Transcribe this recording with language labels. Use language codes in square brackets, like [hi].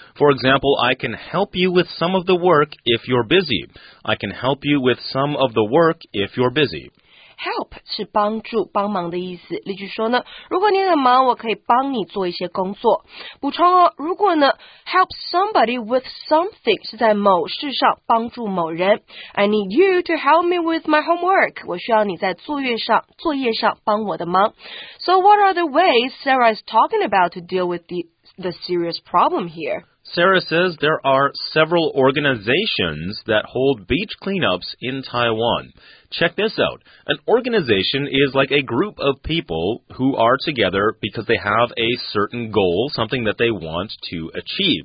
[en] For example, I can help you with some of the work if you're busy. I can help you with some of the work if you're busy. [zh] Help 是帮助、帮忙的意思。例句说呢，如果你很忙，我可以帮你做一些工作。补充哦，如果呢 ， [en] help somebody with something [zh] 是在某事上帮助某人。 [en] I need you to help me with my homework. [zh] 我需要你在作业上帮我的忙。 [en] So what are the ways Sarah is talking about to deal with the serious problem here? Sarah says there are several organizations that hold beach cleanups in Taiwan. Check this out. An organization is like a group of people who are together because they have a certain goal, something that they want to achieve.